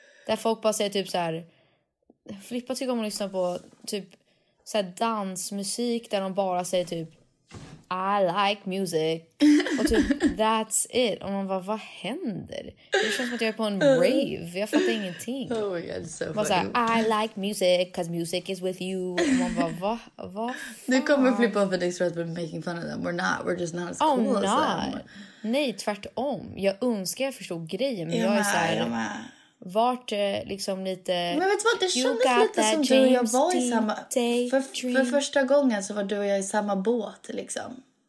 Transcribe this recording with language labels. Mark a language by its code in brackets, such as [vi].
[sv] Där folk bara säger typ så här, Filippa tycker om att lyssna på typ så här dansmusik där de bara säger typ [en] I like music. [sv] Och typ [en] that's it. [sv] Och man bara, vad händer? Det känns som att jag är på en rave. Jag fattar ingenting. [en] Oh my god, so funny. [sv] Man så här, [en] I like music because music is with you. [sv] Och man bara, vad nu kommer Filippa och Felix för att [en] we're making fun of them. We're not. We're just not as cool as them. [sv] Nej, tvärtom. Jag önskar jag förstod grejen. Men jag är så här, vart liksom lite... Men vet du vad, det kändes lite som du och jag var i samma... För första gången så var du och jag i samma båt, liksom.